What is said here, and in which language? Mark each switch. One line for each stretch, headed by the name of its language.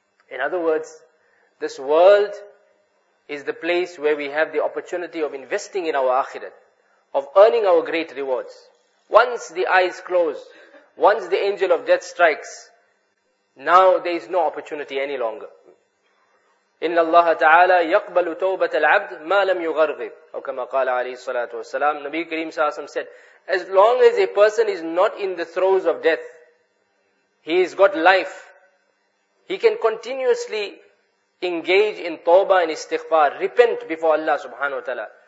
English: In other words, this world is the place where we have the opportunity of investing in our akhirat, of earning our great rewards. Once the eyes close, once the angel of death strikes, now there is no opportunity any longer.
Arabic: إن الله تعالى يقبل توبة العبد ما لم يغرغب. أو كما قال عليه الصلاة والسلام, نبي كريم صلى الله عليه وسلم
English: said, as long as a person is not in the throes of death, he has got life, he can continuously engage in tawbah and istighfar, repent before Allah subhanahu wa ta'ala.